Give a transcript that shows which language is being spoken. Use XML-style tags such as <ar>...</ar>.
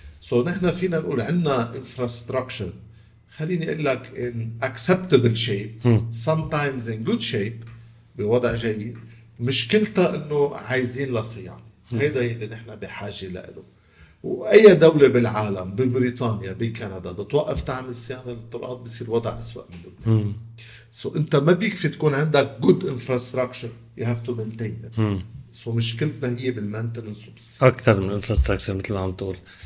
<ar>سو نحن فينا نقول عنا infrastructure، خليني أقول لك</ar> <en>in acceptable shape sometimes in good shape،</en> <ar>بوضع جيد، مشكلتها أنه عايزين لصيانة. هيدا اللي نحن بحاجة له. وأي دولة بالعالم، ببريطانيا، بكندا، بتوقف تعمل صيانة للطرقات بيصير وضع أسوأ من لبنان. سو أنت ما بيكفي تكون عندك</ar> <en>good infrastructure، you have to maintain it.</en> <ar>سو مشكلتنا هي بالmaintenance أكثر من infrastructure مثل ما عم تقول.</ar>